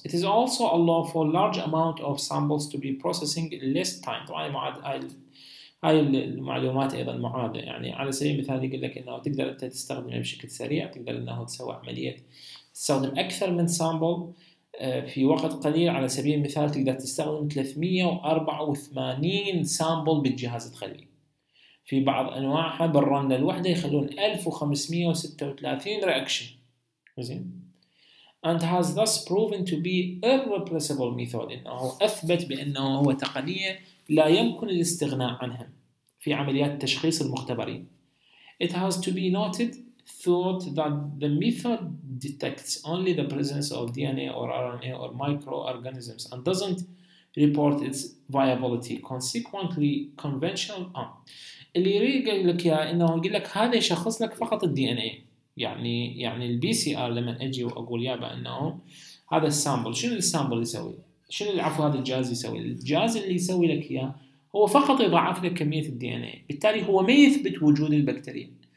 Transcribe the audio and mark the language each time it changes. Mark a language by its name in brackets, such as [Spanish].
[English] It is also allow for large amount of samples to be processing less time. [Arabic] طبعا هاي المعلومات ايضا معادة، يعني على سبيل المثال يقول لك انه تقدر انت تستخدمها بشكل سريع، تقدر انه تسوي عملية تستخدم اكثر من سامبل في وقت قليل. على سبيل المثال تقدر تستخدم 384 سامبل بالجهاز الخلوي. في بعض انواعها بالرنة الواحدة يخلون 1536 رياكشن. [English] زين، and has thus proven to be irreplaceable method. [Arabic] انه اثبت بانه هو تقنية لا يمكن الاستغناء عنها في عمليات تشخيص المختبرين. [English] It has to be noted thought that the method detects only the presence of DNA or RNA or microorganisms and doesn't report its viability. [Arabic] Consequently, conventional اللي يقول لك يا انه يقول لك هذا يشخص لك فقط الدي ان اي. يعني البي سي ار لما اجي واقول يابا انه هذا السامبل، شنو السامبل يسوي؟ شنو العفو هذا الجهاز يسوي؟ الجهاز اللي يسوي لك اياه هو فقط يضاعف لك كميه الدي ان اي، بالتالي هو ما يثبت وجود البكتيريا.